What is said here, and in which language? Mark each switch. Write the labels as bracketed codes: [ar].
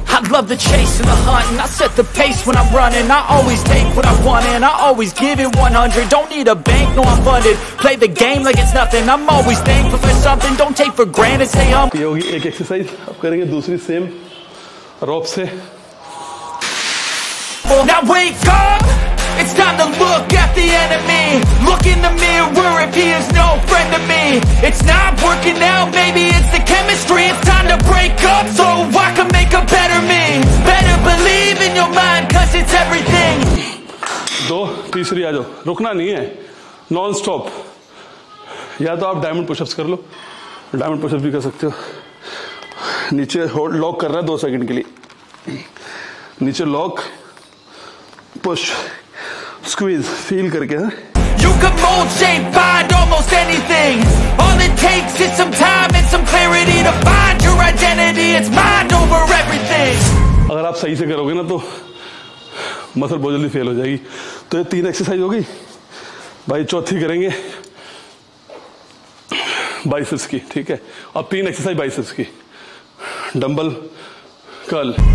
[en] Love the chase and the hunt, and I set the pace when I'm running. I always take what I want, and I always give it 100. Don't need a bank, no, I'm funded. Play the game like it's nothing. I'm always thankful for something. Don't take for granted. Say I'm. [hi] ये होगी एक exercise, अब करेंगे दूसरी same रोप से. [en] Now wake up, it's time to look at the enemy. Look in the mirror if he is no friend to me. It's not working out, maybe it's the chemistry. It's time to break up so I can make a better me. Better believe in your mind, cause it's everything. 2, 3, [hi] आ जाओ, रुकना नहीं है, [en] non-stop. [hi] या तो आप diamond pushups कर लो, diamond pushups भी कर सकते हो। नीचे होल्ड लॉक कर रहा है 2 सेकंड के लिए, नीचे लॉक पुश स्क्वीज फील करके है। [en] You can mold, shape, bind almost anything. All it takes is some time and some clarity to find your identity. It's mind over everything. [hi] अगर आप सही से करोगे ना तो मसल बहुत जल्दी फेल हो जाएगी। तो ये 3 एक्सरसाइज हो गई भाई, चौथी करेंगे बाइसेप्स की, ठीक है। अब 3 एक्सरसाइज बाइसेप्स की, डंबल कर्ल।